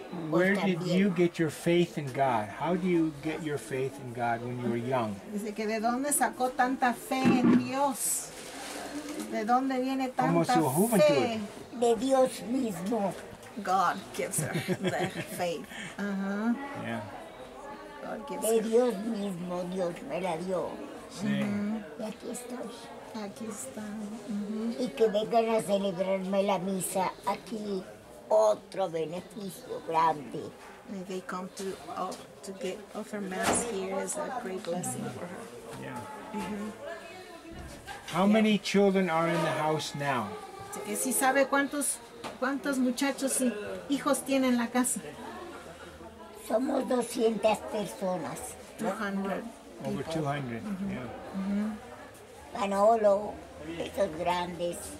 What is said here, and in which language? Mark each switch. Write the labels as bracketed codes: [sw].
[en] Where did you get your faith in God? How do you get your faith in God when you were young? [es] Dice que de dónde sacó tanta fe en Dios. De dónde viene tanta fe. De Dios mismo. [en] God gives her the faith. Uh-huh. Yeah. God gives [es] her. De Dios mismo, Dios me la dio. Sí. Y aquí estoy. Aquí está. Uh-huh. Y que vengan a celebrarme la misa aquí. Otro beneficio grande. [en] May they come to get offer mass here is a great blessing for her. How many children are in the house now? [es] ¿Si sabe cuántos muchachos y hijos tienen la casa? Somos 200 personas. 200. [en] Over 200. [es] Manolo, esos grandes.